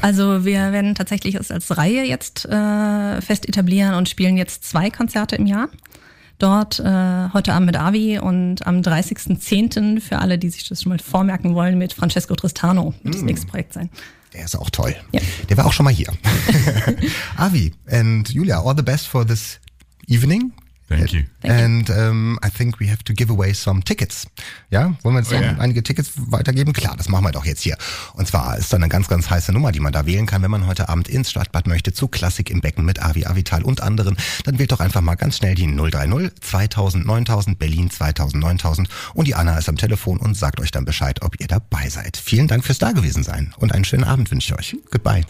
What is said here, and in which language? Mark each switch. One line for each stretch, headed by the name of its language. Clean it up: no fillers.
German: Also wir werden tatsächlich es als Reihe jetzt fest etablieren und spielen jetzt zwei Konzerte im Jahr. Dort heute Abend mit Avi und am 30.10. für alle, die sich das schon mal vormerken wollen, mit Francesco Tristano wird das nächste Projekt sein. Der ist auch toll. Ja. Der war auch schon mal hier.
English: Avi and Julia, all the best for this evening. Thank you. And I think we have to give away some tickets.
German: Ja, wollen wir jetzt einige Tickets weitergeben? Klar, das machen wir doch jetzt hier. Und zwar ist da eine ganz, ganz heiße Nummer, die man da wählen kann, wenn man heute Abend ins Stadtbad möchte, zu Klassik im Becken mit Avi Avital und anderen. Dann wählt doch einfach mal ganz schnell die 030 2000 9000 Berlin 2000 9000 und die Anna ist am Telefon und sagt euch dann Bescheid, ob ihr dabei seid. Vielen Dank fürs Dagewesensein und einen schönen Abend wünsche ich euch. Goodbye.